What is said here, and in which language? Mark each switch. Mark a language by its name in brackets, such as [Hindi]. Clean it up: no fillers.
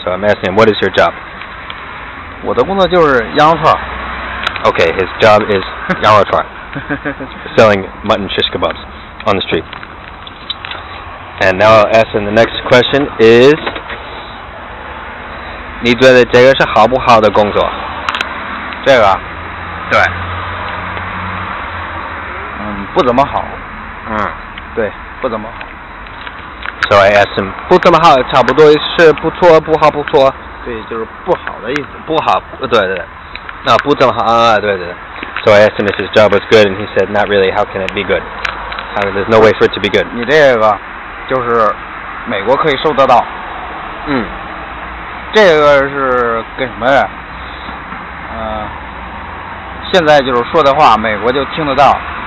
[English] So I'm asking him, what is your job? [Chinese] 我的工作就是羊肉串。 [English] Okay, his job is 羊肉串。Selling mutton shish kebabs on the street. And now I'll ask him the next question is [Chinese] 你觉得这个是好不好的工作？这个？对。不怎么好。对, 不怎么好。 [English] So I asked him, [Chinese] 不怎么好, 差不多是不错, 不好, 不错。对, 就是不好的意思。不好, 对。那, 不怎么好, 对。 [English] So I asked him if his job was good, and he said, not really, how can it be good? There's no way for it to be good. [Chinese] 你这个, 就是美国可以收得到。这个是跟什么呀? 现在就是说的话, 美国就听得到。